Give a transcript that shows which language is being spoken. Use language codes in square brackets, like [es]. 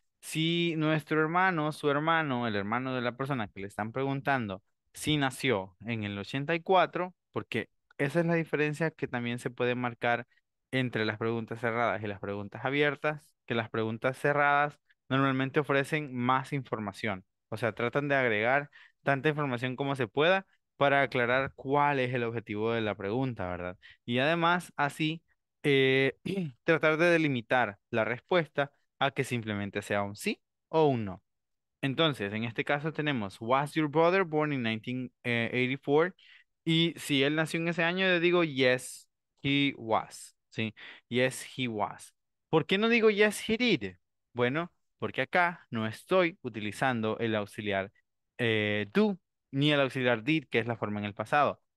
[es] Si nuestro hermano, su hermano, el hermano de la persona que le están preguntando, si nació en el 84, porque esa es la diferencia que también se puede marcar entre las preguntas cerradas y las preguntas abiertas, que las preguntas cerradas normalmente ofrecen más información. O sea, tratan de agregar tanta información como se pueda para aclarar cuál es el objetivo de la pregunta, ¿verdad? Y además, así, tratar de delimitar la respuesta a que simplemente sea un sí o un no. Entonces, en este caso tenemos, [en] was your brother born in 1984? [es] Y si él nació en ese año, yo digo, [en] yes, he was, [es] ¿sí? [en] Yes, he was. [es] ¿Por qué no digo, [en] yes, he did? [es] Bueno, porque acá no estoy utilizando el auxiliar do, ni el auxiliar did, que es la forma en el pasado.